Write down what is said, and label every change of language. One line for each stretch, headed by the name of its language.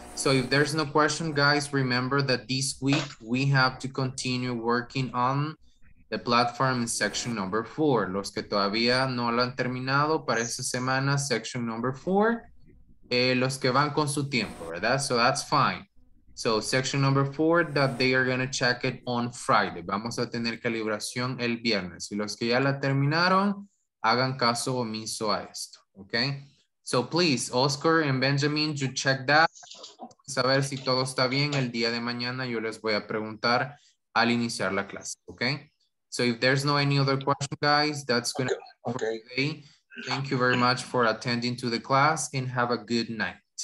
English: So, if there's no question, guys, remember that this week we have to continue working on the platform in section number 4.
Spanish: Los que todavía no lo han terminado para esta semana, section number 4. Los que van con su tiempo, ¿verdad? So, that's fine.
English: So, section number 4, that they are going to check it on Friday.
Spanish: Vamos a tener calibración el viernes. Y los que ya la terminaron, hagan caso omiso a esto, okay?
English: So please, Oscar and Benjamin, you check that.
Spanish: Saber si todo está bien el día de mañana, yo les voy a preguntar al iniciar la clase, okay?
English: So if there's no any other question, guys, that's going to be for today. Thank you very much for attending to the class and have a good night.